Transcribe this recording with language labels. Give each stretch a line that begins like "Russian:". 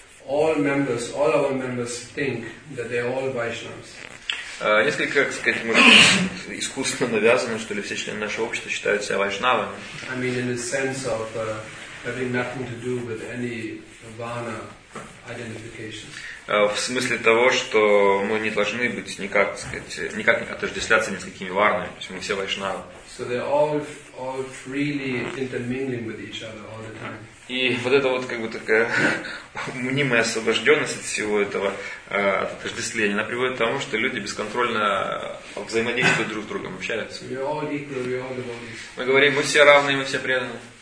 English: All members, all our members think that they are all Vaishnavas.
Russian: Несколько, как сказать, мы искусственно навязаны, что ли, все члены нашего общества считают себя вайшнавами.
English: I mean, in the sense of having nothing to do with any vana identification.
Russian: В смысле того, что мы не должны быть никак, так сказать, никак не отождествляться ни с какими варнами, то есть мы все вайшнавы.
English: So they all freely intermingling with each other all the time.
Russian: И вот это вот как бы такая мнимая освобожденность от всего этого, от отождествления, она приводит к тому, что люди бесконтрольно взаимодействуют друг с другом, общаются. Мы говорим, мы все равны, мы все преданы.